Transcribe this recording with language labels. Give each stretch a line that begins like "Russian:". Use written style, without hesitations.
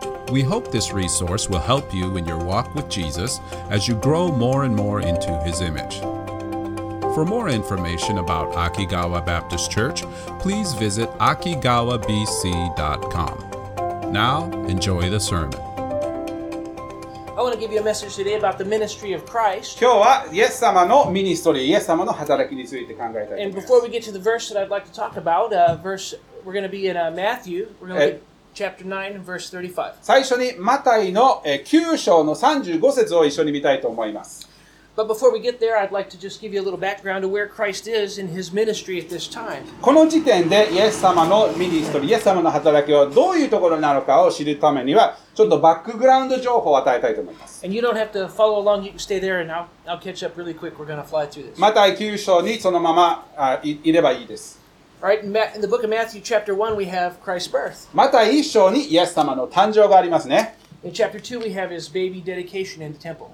English: We hope this resource will help you in your walk with Jesus as you grow more and more into His image. For more information about Akigawa Baptist Church, please visit akigawabc.com. Now, enjoy the sermon. I want to give you a message today about the ministry of Christ.
Japanese: 今日はイエス様のミニストリー、イエス様の働きについて考えたいと思います。
English: And before we get to the verse that I'd like to talk about, verse, we're going to be in Matthew, we're going to be chapter 9 and verse 35.
Japanese: 最初にマタイの9章の35節を一緒に見たいと思います。
English: But before we get there, I'd like to just give you a little background of where Christ is in his ministry at this time.
Japanese: この時点でイエス様のミニストリー、イエス様の働きはどういうところなのかを知るためには、ちょっとバックグラウンド情報を与えたいと思います。
English: And you don't have to follow along, you can stay there and I'll catch up really quick. We're going to fly through this.
Japanese: またマタイ9章にそのまま、いればいいです。
English: Right, in the book of Matthew chapter 1, we have Christ's birth.
Japanese: また1章にイエス様の誕生がありますね。
English: In chapter 2, we have his baby dedication in the temple.